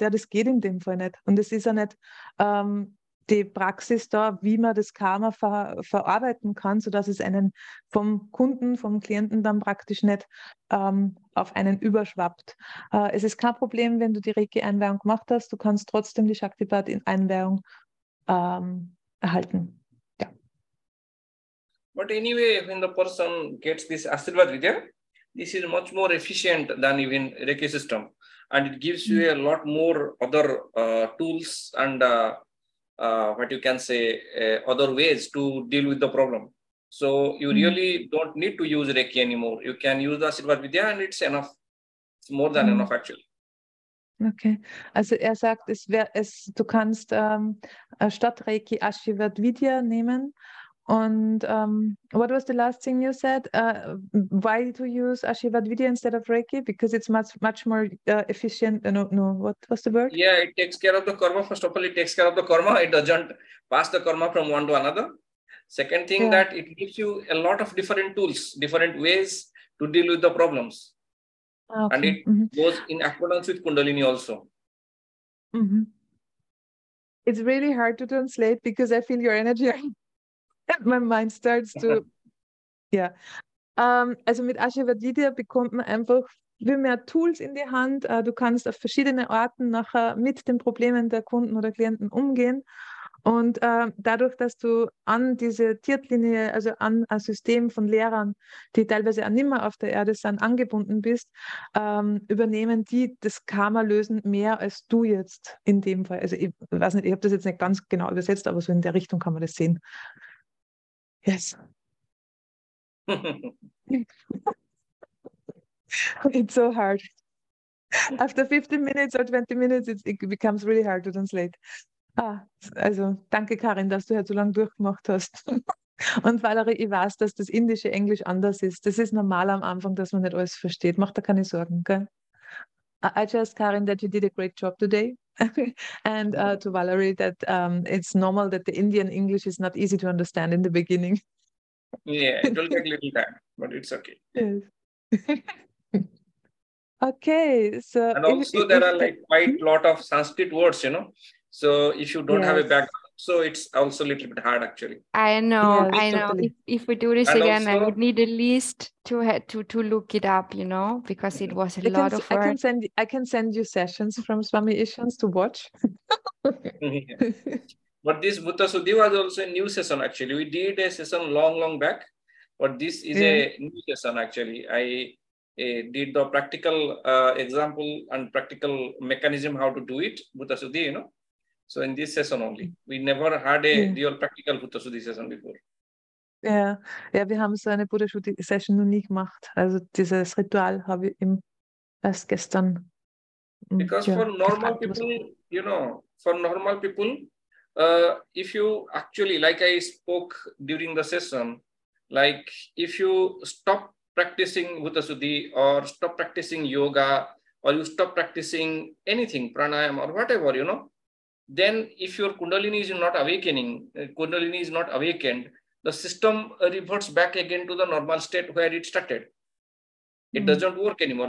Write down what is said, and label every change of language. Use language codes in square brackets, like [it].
[de] Ja, das geht in dem Fall nicht. Und es ist ja nicht die Praxis da, wie man das Karma verarbeiten kann, sodass es einen vom Kunden, vom Klienten dann praktisch nicht auf einen überschwappt. Es ist kein Problem, wenn du die Reiki-Einweihung gemacht hast, du kannst trotzdem die Shaktipat-Einweihung erhalten. Ja. [en] But anyway, when the person gets this Ashirvad Vidya, this is much more efficient than even Reiki system. And it gives you a lot more other tools and what you can say, other ways to deal with the problem. So you really don't need to use Reiki anymore. You can use the Ashirvad Vidya and it's enough. It's more than enough, actually. Okay. [de] Also er sagt, du kannst statt Reiki Ashirvad Vidya nehmen. [en] And what was the last thing you said? Why to use Ashirvad Vidya instead of Reiki? Because it's much, much more efficient. No. What was the word? Yeah, it takes care of the karma. First of all, it takes care of the karma. It doesn't pass the karma from one to another. Second thing, yeah, that it gives you a lot of different tools, different ways to deal with the problems. Okay. And it goes in accordance with Kundalini also. Mm-hmm. It's really hard to translate because I feel your energy. My mind starts to, yeah. [de] Also mit Ashirvad Vidya bekommt man einfach viel mehr Tools in die Hand. Du kannst auf verschiedene Arten nachher mit den Problemen der Kunden oder Klienten umgehen. Und dadurch, dass du an diese Tiertlinie, also an ein System von Lehrern, die teilweise auch nicht mehr auf der Erde sind, angebunden bist, übernehmen die das Karma-Lösen mehr als du jetzt in dem Fall. Also ich weiß nicht, ich habe das jetzt nicht ganz genau übersetzt, aber so in der Richtung kann man das sehen. [en] Yes. It's so hard. After 15 minutes or 20 minutes, it becomes really hard to translate. [de] Ah, also danke Karin, dass du hier so lange durchgemacht hast. Und Valerie, ich weiß, dass das indische Englisch anders ist. Das ist normal am Anfang, dass man nicht alles versteht. Mach da keine Sorgen, gell? [en] I just, Karin, that you did a great job today. And to Valerie, that it's normal that the Indian English is not easy to understand in the beginning. Yeah, it will take a little time, but it's okay. Yes. Okay. So, and also there are like quite a lot of Sanskrit words, you know. So if you don't, yes, have a background, so it's also a little bit hard, actually. I know, yes, I know. Totally. If we do this and again, also, I would need at least to look it up, you know, because it was a lot of work. I can send you sessions from Swami Ishans to watch. But this Bhuta Shuddhi was also a new session actually. We did a session long, long back, but this is a new session actually. I did the practical example and practical mechanism how to do it, Bhuta Shuddhi, you know. So in this session only. We never had a real practical Bhuta Shuddhi session before. [de] Ja, wir haben so eine Buddha-Shuddhi-Session noch nie gemacht. Also dieses Ritual habe ich erst gestern. [en] Because for normal people, you know, for normal people, if you actually, like I spoke during the session, like if you stop practicing Buddha-Shuddhi or stop practicing yoga or you stop practicing anything, pranayama or whatever, you know, then if your kundalini is not awakening, kundalini is not awakened, the system reverts back again to the normal state where it started. It doesn't work anymore.